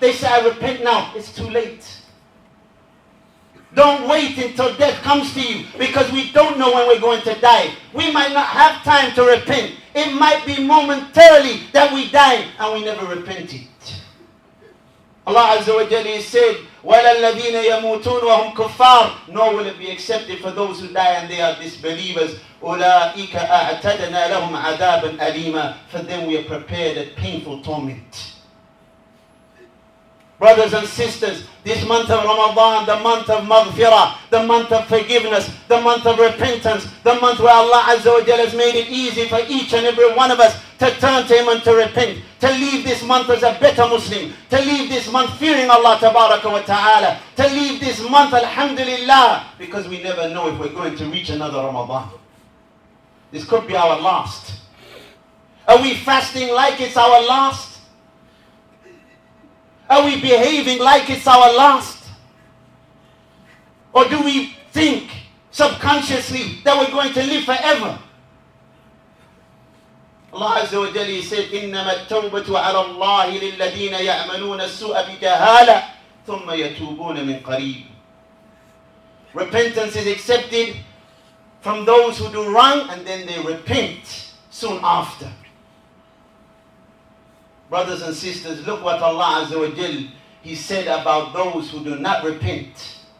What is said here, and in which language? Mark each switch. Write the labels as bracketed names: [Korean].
[English] They say, I repent now. It's too late. Don't wait until death comes to you, because we don't know when we're going to die. We might not have time to repent. It might be momentarily that we die and we never repented. Allah Azza wa Jalla said, [Arabic] وَلَلَّذِينَ يَمُوتُونَ وَهُمْ كُفَّارٌ. [English] Nor will it be accepted for those who die and they are disbelievers. [Arabic] أُولَٰئِكَ أَعْتَدَنَا لَهُمْ عَذَابًا أَلِيمًا. [English] For them we are prepared a painful torment. Brothers and sisters, this month of Ramadan, the month of maghfirah, the month of forgiveness, the month of repentance, the month where Allah Azza wa Jalla has made it easy for each and every one of us to turn to Him and to repent, to leave this month as a better Muslim, to leave this month fearing Allah Tabaraka wa Ta'ala, to leave this month Alhamdulillah, because we never know if we're going to reach another Ramadan. This could be our last. Are we fasting like it's our last? Are we behaving like it's our last? Or do we think subconsciously that we're going to live forever? [Arabic] Allah Azza wa Jalla [English] said, [Arabic] إِنَّمَا التَّوْبَةُ عَلَى اللَّهِ لِلَّذِينَ يَعْمَلُونَ السُّوءَ بِجَهَالَةٍ ثُمَّ يَتُوبُونَ مِنْ قَرِيبٍ. [English] Repentance is accepted from those who do wrong and then they repent soon after. Brothers and sisters, look what Allah Azza wa Jal, He said about those who do not repent.